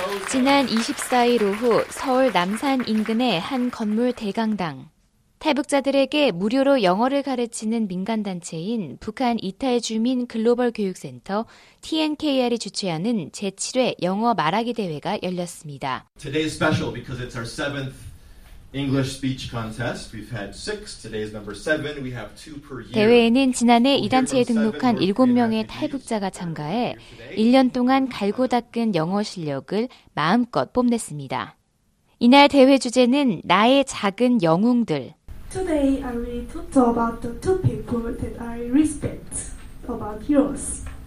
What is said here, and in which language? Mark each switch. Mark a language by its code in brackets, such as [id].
[ko] 지난 24일 오후 서울 남산 인근의 한 건물 대강당. 탈북자들에게 무료로 영어를 가르치는 민간단체인 북한 이탈주민 글로벌 교육센터 TNKR이 주최하는 제7회 영어 말하기 대회가 열렸습니다. [en] Today's special because it's our 7th English speech contest. We've had 6, today is number 7. We have 2 per year. [ko] 대회에는 지난해 이 단체에 등록한 7명의 탈북자가 참가해 1년 동안 갈고 닦은 영어 실력을 마음껏 뽐냈습니다. 이날 대회 주제는 나의 작은 영웅들. [en] Today I will talk about the two people that I respect about heroes.